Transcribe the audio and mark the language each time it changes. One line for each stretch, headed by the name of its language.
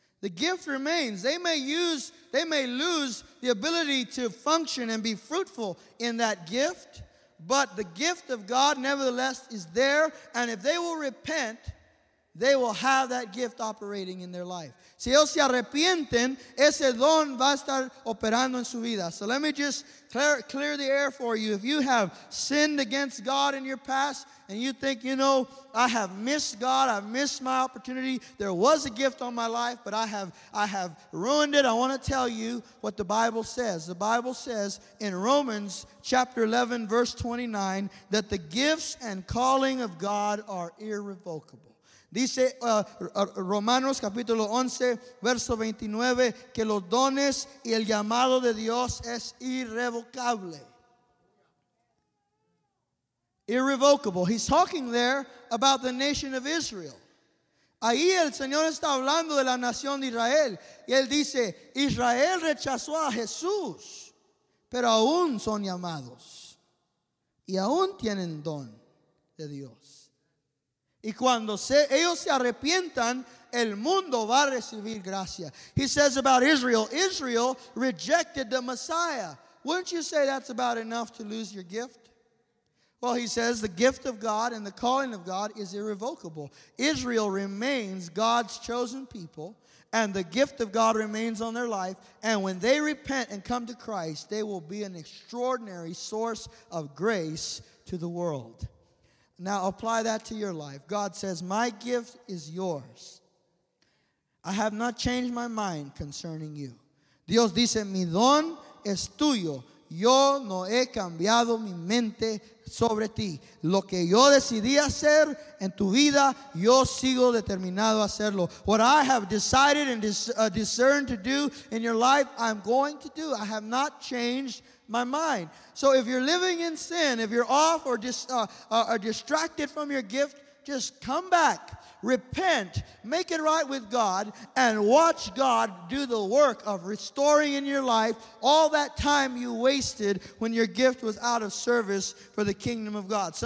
English: The gift remains. They may lose the ability to function and be fruitful in that gift, but the gift of God nevertheless is there, and if they will repent, they will have that gift operating in their life.
Spanish: Si ellos se arrepienten, ese don va a estar operando en su vida.
English: So let me just clear the air for you. If you have sinned against God in your past and you think, you know, I have missed God, I've missed my opportunity, there was a gift on my life, but I have ruined it, I want to tell you what the Bible says. The Bible says in Romans chapter 11, verse 29, that the gifts and calling of God are irrevocable.
Spanish: Dice Romanos capítulo 11, verso 29, que los dones y el llamado de Dios es irrevocable. Irrevocable.
English: He's talking there about the nation of Israel.
Spanish: Ahí el Señor está hablando de la nación de Israel. Y él dice, Israel rechazó a Jesús, pero aún son llamados. Y aún tienen don de Dios. Y cuando ellos se arrepientan, el mundo va a recibir gracia.
English: He says about Israel, Israel rejected the Messiah. Wouldn't you say that's about enough to lose your gift? Well, he says the gift of God and the calling of God is irrevocable. Israel remains God's chosen people, and the gift of God remains on their life. And when they repent and come to Christ, they will be an extraordinary source of grace to the world. Now apply that to your life. God says, my gift is yours. I have not changed my mind concerning you.
Spanish: Dios dice, mi don es tuyo. Yo no he cambiado mi mente sobre ti. Lo que yo decidí hacer en tu vida, yo sigo determinado a hacerlo.
English: What I have decided and discerned to do in your life, I'm going to do. I have not changed my mind. So if you're living in sin, if you're off or are distracted from your gift, just come back, repent, make it right with God, and watch God do the work of restoring in your life all that time you wasted when your gift was out of service for the kingdom of God.